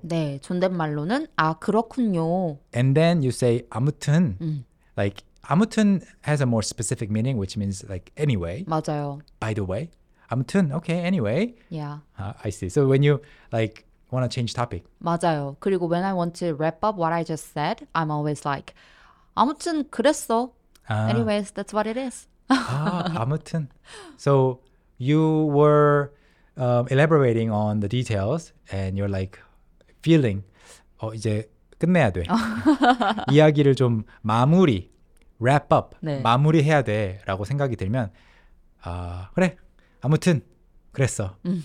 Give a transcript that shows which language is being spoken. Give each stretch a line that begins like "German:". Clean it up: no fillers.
Korean: 네, 존댓말로는 아 그렇군요.
English: And then you say 아무튼, like 아무튼 has a more specific meaning, which means like anyway.
Korean: 맞아요.
English: By the way, 아무튼 okay anyway. Yeah. I see. So when you like want to change topic.
Korean: 맞아요. 그리고
English: when I want to wrap up what I just said, I'm always like
Korean: 아무튼 그랬어. 아.
English: Anyways, that's what it is.
Korean: 아, 아무튼.
English: So you were elaborating on the details, and you're like feeling
Korean: 어 이제 끝내야 돼. 이야기를 좀 마무리.
English: Wrap up,
Korean: 네. 마무리해야 돼 라고 생각이 들면 그래, 아무튼 그랬어.